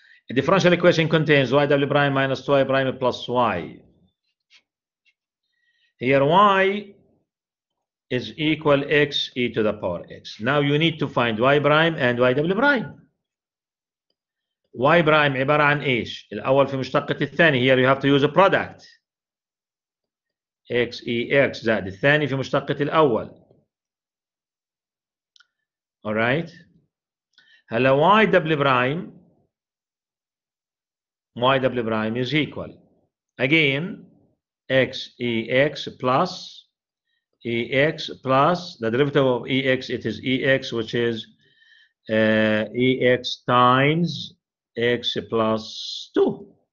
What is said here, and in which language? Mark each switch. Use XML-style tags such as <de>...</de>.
<en>A differential equation contains y double prime minus 2y prime plus y. Here y is equal x e to the power x. Now you need to find y prime and y double prime.</en> <ar>Y prime عبارة عن إيش؟ الأول في مشتقة الثاني.</ar> <en>Here you have to use a product.</en> <ar>X e x زائد الثاني في مشتقة الأول.</ar> <en>All right.</en> <ar>هلا y double prime.</ar> <en>Y double prime is equal. Again, x e x plus ex plus the derivative of ex, it is ex, which is ex times x plus 2.</en>